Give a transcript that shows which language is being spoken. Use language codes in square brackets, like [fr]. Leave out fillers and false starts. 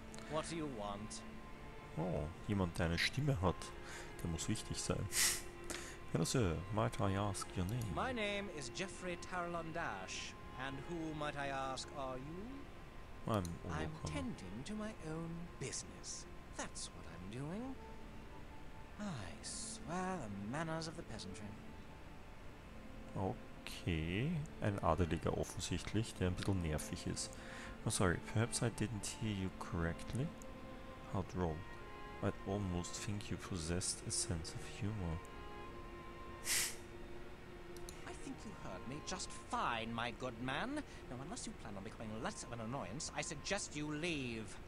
[en] What do you want? [de] Oh, jemand, der eine Stimme hat, der muss wichtig sein. [en] Hello, sir. Might I ask your name? My name is Geoffrey Tarlon Dash, and who, might I ask, are you? I'm tending to my own business. That's what I'm doing. I swear the manners of the peasantry. [de] Okay, ein Adeliger offensichtlich, der ein bisschen nervig ist. [en] Oh, sorry, perhaps I didn't hear you correctly. How droll. I almost think you possessed a sense of humor. I think you heard me just fine, my good man. Now, unless you plan on becoming less of an annoyance, I suggest you leave.